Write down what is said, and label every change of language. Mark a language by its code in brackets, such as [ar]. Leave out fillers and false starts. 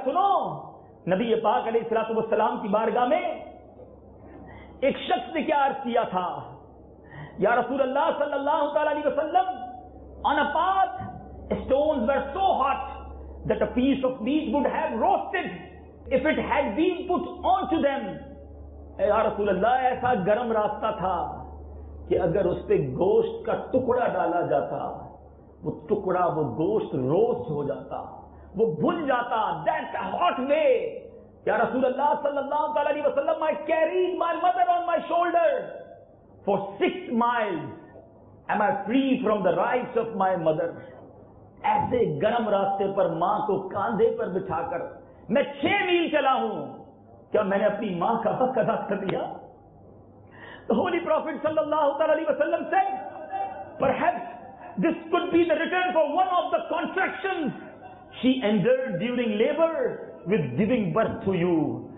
[ur] سنو, نبی پاک علیہ الصلاۃ والسلام کی بارگاہ میں ایک شخص نے کیا عرض کیا تھا, یا رسول اللہ صلی اللہ تعالی علیہ وسلم, [en] on a path stones were so hot that a piece of meat would have roasted If it had been put on to them, [ur] اے رسول اللہ ایسا گرم راستہ تھا کہ اگر اس پہ گوشت کا ٹکڑا ڈالا جاتا وہ ٹکڑا وہ گوشت روسٹ ہو جاتا وہ بھن جاتا. [en] That's a hot way. یا رسول اللہ صلی اللہ علیہ وسلم, I carried my mother on my shoulder for 6 miles. Am I free from the rights of my mother? [ur] ایسے گرم راستے پر ماں کو کاندھے پر بٹھا کر میں 6 میل چلا ہوں, کیا میں نے اپنی ماں کا حق ادا کر دیا؟ [en] The Holy Prophet صلی اللہ علیہ وسلم said, perhaps this could be the return for one of the contractions she endured during labor with giving birth to you.